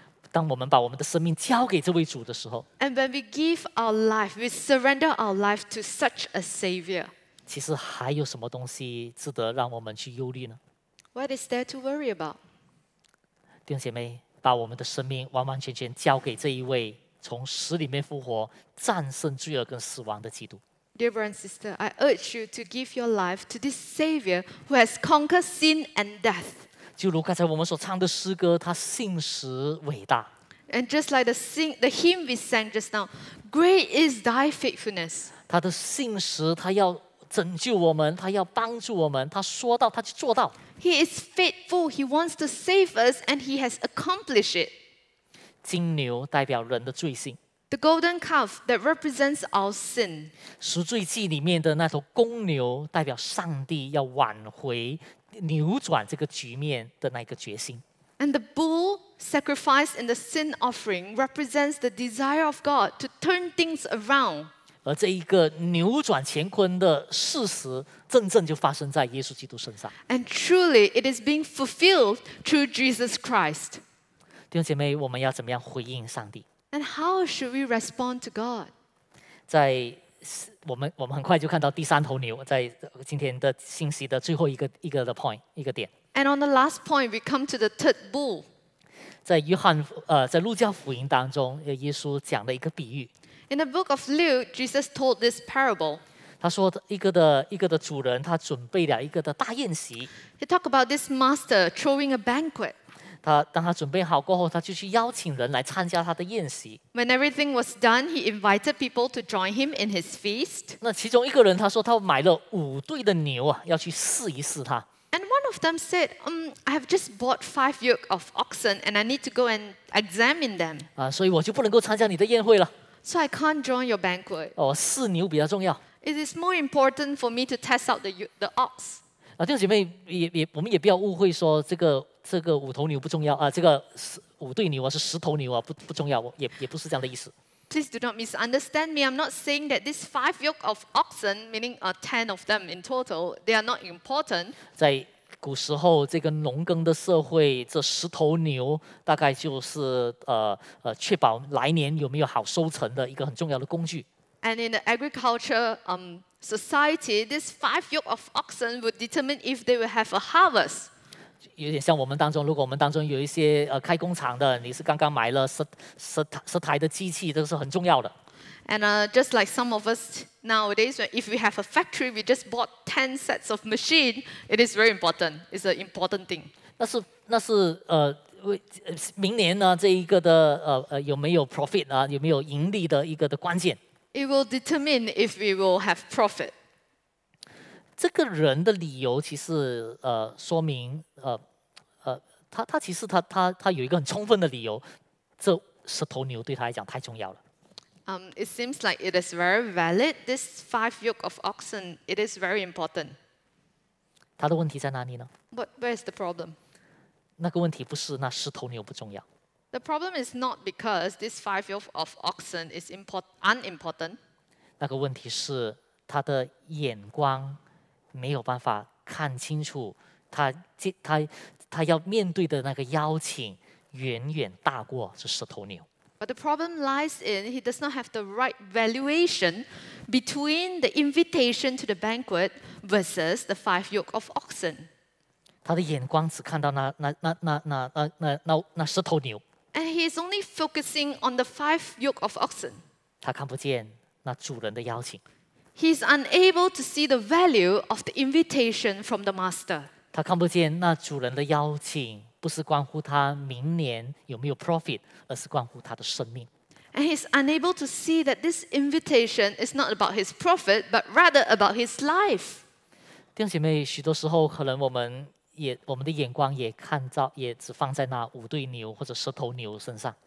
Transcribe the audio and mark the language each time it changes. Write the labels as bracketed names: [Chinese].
[Chinese] 当我们把我们的生命交给这位主的时候 [English] And when we give our life we surrender our life to such a savior [Chinese] 其实还有什么东西值得让我们去忧虑呢 [English] What is there to worry about? [Chinese] 弟兄姐妹把我们的生命完完全全交给这一位从死里面复活战胜罪恶跟死亡的基督 [English] Dear brother and sister, I urge you to give your life to this Savior who has conquered sin and death [Chinese] 就如刚才我们所唱的诗歌他信实伟大 [English] And just like the hymn we sang just now Great is thy faithfulness [Chinese] 他的信实他要拯救我们他要帮助我们他说到他就做到 [English] He is faithful, he wants to save us and he has accomplished it [Chinese] 金牛代表人的罪性 [English] The golden calf that represents our sin [Chinese] 赎罪祭里面的那头公牛代表上帝要挽回扭转这个局面的那个决心 [English] And the bull sacrificed in the sin offering represents the desire of God to turn things around [Chinese] 而这一个扭转乾坤的事实真正就发生在耶稣基督身上 [English] And truly it is being fulfilled through Jesus Christ [Chinese] 弟兄姐妹，我们要怎么样回应上帝 [English] ？And how should we respond to God？ [Chinese] 在我们很快就看到第三头牛，在今天的信息的最后一个的 point 一个点。 [English] And on the last point, we come to the third bull。 [Chinese] 在约翰在路加福音当中，耶稣讲了一个比喻。 [English] In the book of Luke, Jesus told this parable。 [Chinese] 他说一个的主人，他准备了一个的大宴席。 [English] He talked about this master throwing a banquet。 [Chinese] 当他准备好过后他就去邀请人来参加他的宴席 [English] When everything was done He invited people to join him in his feast [Chinese] 那其中一个人他说他买了五对的牛啊，要去试一试他 [English] And one of them said I have just bought 5 yoke of oxen And I need to go and examine them [Chinese] 所以我就不能够参加你的宴会了 [English] So I can't join your banquet [Chinese] 试牛比较重要 [English] It is more important for me to test out the ox [Chinese] 弟兄姐妹我们也不要误会说这个五头牛不重要这个五对牛是十头牛不重要也不是这样的意思 [English] Please do not misunderstand me I'm not saying that this 5 yoke of oxen meaning 10 of them in total they are not important [Chinese] 在古时候这个农耕的社会这十头牛大概就是确保来年有没有好收成的一个很重要的工具 [English] And in the agriculture society this 5 yoke of oxen would determine if they will have a harvest [Chinese] 有点像我们当中，如果我们当中有一些开工厂的，你是刚刚买了十台的机器，这个是很重要的。 [English] And just like some of us nowadays, if we have a factory, we just bought 10 sets of machine, it is very important. It's an important thing. [Chinese] 那是明年呢这一个的有没有 profit 啊，有没有盈利的一个的关键。 [English] It will determine if we will have profit. [Chinese] 这个人的理由其实说明他其实他有一个很充分的理由这十头牛对他来讲太重要了。 [English] It seems like it is very valid. This 5 yoke of oxen, it is very important. [Chinese] 他的问题在哪里呢 [English] But where is the problem? [Chinese] 那个问题不是那十头牛不重要。 [English] The problem is not because this 5 yoke of oxen is unimportant. [Chinese] 那个问题是他的眼光没有办法看清楚 他要面对的那个邀请远远大过这十头牛 [English] But the problem lies in he does not have the right valuation between the invitation to the banquet versus the 5 yoke of oxen [Chinese] 他的眼光只看到 那十头牛 [English] And he is only focusing on the 5 yoke of oxen [Chinese] 他看不见那主人的邀请 [English] He's unable to see the value of the invitation from the master. [Chinese] 他看不见那主人的邀请不是关乎他明年有没有 profit, 而是关乎他的生命。 [English] And he's unable to see that this invitation is not about his profit, but rather about his life. [Chinese] 弟兄姐妹，许多时候可能我们的眼光也只放在那五对牛或者十头牛身上。